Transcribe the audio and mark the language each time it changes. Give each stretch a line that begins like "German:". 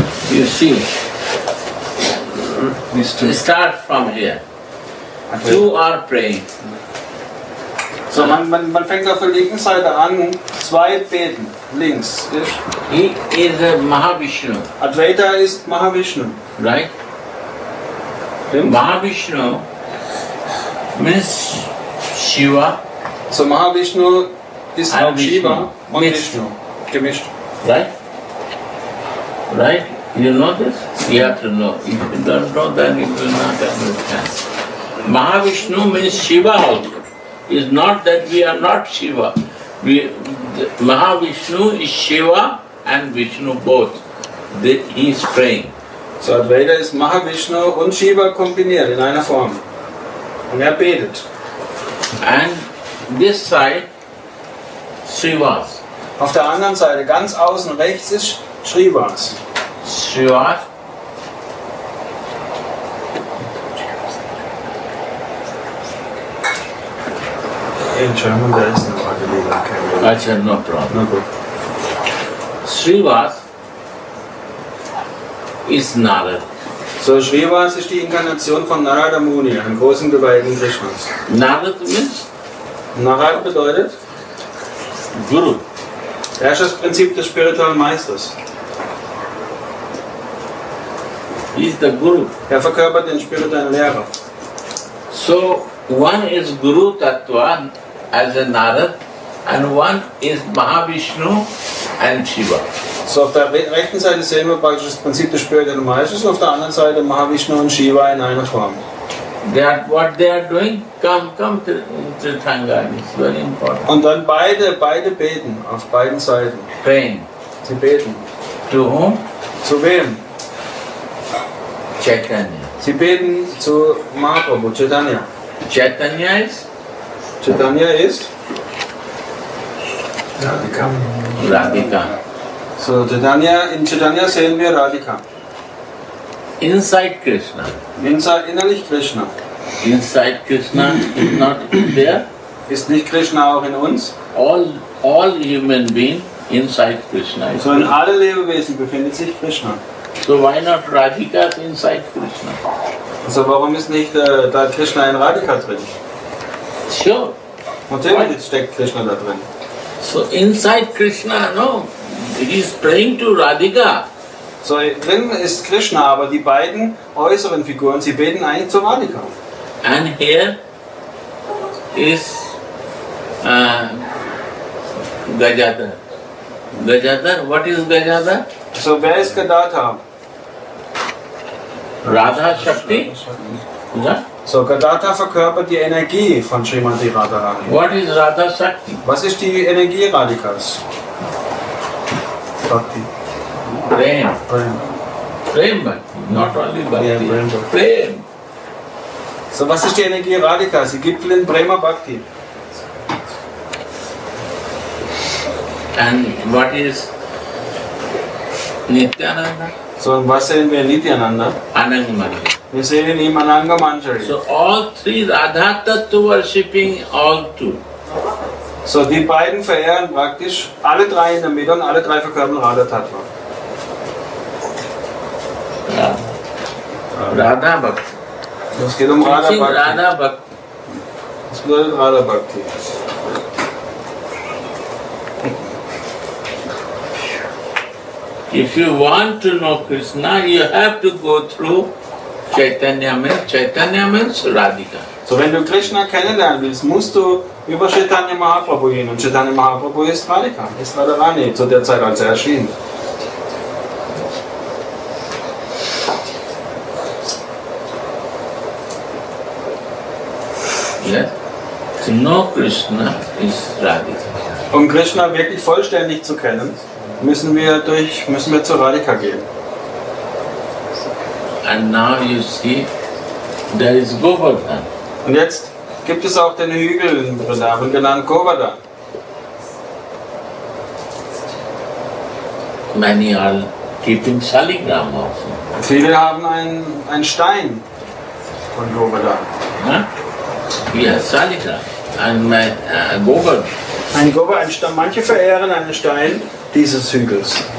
English: You see, we start from here. Two are praying.
German: So man fängt auf der linken Seite an, zwei beten, links.
English: He is a Mahavishnu.
German: Advaita ist Mahavishnu.
English: Right?
German: Stimmt.
English: Mahavishnu means Shiva.
German: So Mahavishnu ist auch Shiva und Vishnu. Gemischt.
English: Right? You know this? You have to know. If you don't know, then you will not understand. Mahavishnu means Shiva also. Is not that we are not Shiva. Mahavishnu is Shiva and Vishnu both. He is praying.
German: So Advaita is Mahavishnu und Shiva kombiniert in einer Form. Und betet.
English: And this side, Srivas.
German: Auf der anderen Seite, ganz außen rechts, ist Srivas. Srivas.
English: In German, there is no Adilila. Okay. Achha, no problem. No good. Srivas is Narad.
German: So Srivas ist die Inkarnation von Narada Muni, einem großen Geweihten Krishnas.
English: Narad means?
German: Narad bedeutet?
English: Guru.
German: Er ist das Prinzip des spirituellen Meisters.
English: He is the Guru.
German: Er verkörpert den Spirit deiner Lehre.
English: So one is Guru Tattva as a Narada, and one is Mahavishnu and Shiva.
German: So auf der rechten Seite sehen wir praktisch das Prinzip des Spirit der Maheshwara, und auf der anderen Seite Mahavishnu und Shiva in einer Form.
English: That what they are doing, come to Thanga, it's very important.
German: Und dann beide beten auf beiden Seiten.
English: Praying.
German: Sie beten.
English: To whom?
German: Zu wem? Chaitanya. Sie beten zu Mahaprabhu, Chaitanya.
English: Chaitanya is? Chaitanya is? Radhika. Radhika.
German: So Chaitanya, in Chaitanya sehen wir Radhika.
English: Inside Krishna.
German: Inside, innerlich Krishna.
English: Inside Krishna is not there.
German: Ist nicht Krishna auch in uns?
English: All human beings inside Krishna.
German: So in alle Lebewesen befindet sich Krishna.
English: So why not Radhika inside Krishna?
German: Also warum ist nicht da Krishna in Radhika drin?
English: Sure.
German: Und damit steckt Krishna da drin.
English: So inside Krishna, no. He is praying to Radhika.
German: So drin ist Krishna, aber die beiden äußeren Figuren, sie beten eigentlich zu Radhika.
English: And here is Gajadhar. Gajadhar, what is Gajadhar? So where is Gadadhar? Radha Shakti?
German: So Gadadhar verkörpert die Energie von Srimati Radharani.
English: What is Radha Shakti?
German: Was ist die Energie Radhikas?
English: Bhakti. Prem. Prem Bhakti, not only Bhakti. Yeah, Prem Bhakti. Prem.
German: So was ist die Energie Radhika? Sie gibt den Prema Bhakti.
English: And what is Nityananda?
German: So was sehen wir in Nityananda? Anangamanjari. Wir sehen in ihm Anangamanjari.
English: So all three Radhatattva worshipping all two.
German: So die beiden verehren praktisch alle drei in der Mitte und alle drei verkörpern Radhatattva. Radha Bhakti. Es geht um Radha Bhakti. Radha Bhakti. Es bedeutet Radha Bhakti.
English: If you want to know Krishna, you have to go through Chaitanya means Radhika.
German: So wenn du Krishna kennenlernen willst, musst du über Chaitanya Mahaprabhu gehen. Und Chaitanya Mahaprabhu ist Radhika, ist Radharani zu der Zeit, als er erschien.
English: Yes. To know Krishna is Radhika.
German: Um Krishna wirklich vollständig zu kennen, müssen wir zu Radhika gehen.
English: And now you see, there is Govardhan.
German: Und jetzt gibt es auch den Hügel in Vrindavan genannt Govardhan.
English: Many are keeping Shaligram also.
German: Viele haben einen Stein von Govardhan. Huh?
English: Yes, Shaligram. Govardhan. Govardhan.
German: Manche verehren einen Stein dieses Hügels.